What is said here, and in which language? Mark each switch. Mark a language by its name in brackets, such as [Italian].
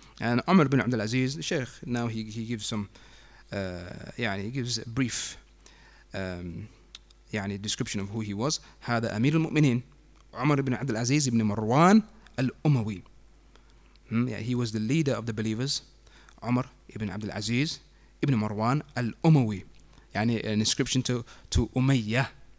[English] And Umar ibn Abdul Aziz, the Sheikh, now he gives some, yani, he gives a brief yani, description of who he was. [Arabic] هذا أمير المؤمنين عمر بن عبد العزيز بن مروان الأموي. [English] Yeah, he was the leader of the believers. [Arabic] عمر بن عبد العزيز بن مروان الأموي. [English] يعني an inscription to أمية.